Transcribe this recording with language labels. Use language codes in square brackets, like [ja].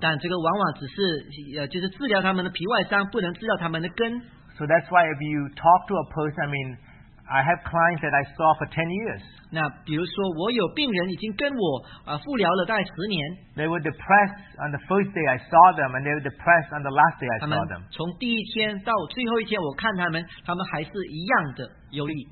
[zh] 但这个往往只是治疗他们的皮外伤，不能治疗他们的根。 [en] So that's why if you talk to a person, I mean, I have clients that I saw for 10 years. [zh] 那比如说我有病人已经跟我复疗了大概10年。 [en] They were depressed on the first day I saw them, and they were depressed on the last day I saw them. [zh] 从第一天到最后一天我看他们，他们还是一样的忧郁。